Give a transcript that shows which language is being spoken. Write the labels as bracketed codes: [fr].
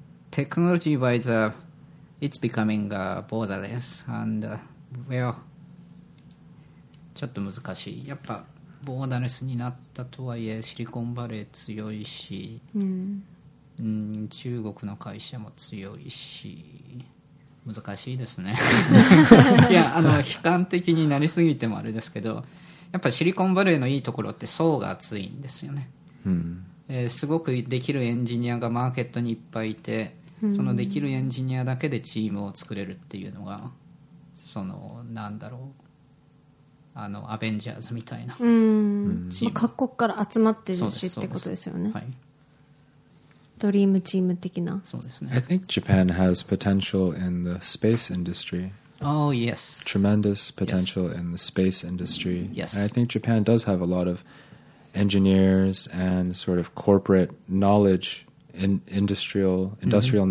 [en] Technology wise, it's becoming borderless and well [ja] ちょっと難しい。やっぱボーダレスになったとはいえシリコンバレー強いし、うん、うん、中国の会社も強いし難しいですね。いや悲観的になりすぎてもあれですけど、やっぱシリコンバレーのいいところって層が厚いんですよね、うん、すごくできるエンジニアがマーケットにいっぱいいて、そのできるエンジニアだけでチームを作れるっていうのが、そのなんだろう、あのアベンジャーズみたいな、うん、まあ、各国から集まってるしってことですよね。はい、ドリームチーム的な。そうですね。 [en] I think Japan has potential in the space industry. Oh yes. Tremendous potential in the space industry. Yes. And I think Japan does have a lot of engineers and sort of corporate knowledge. Industrial mm-hmm.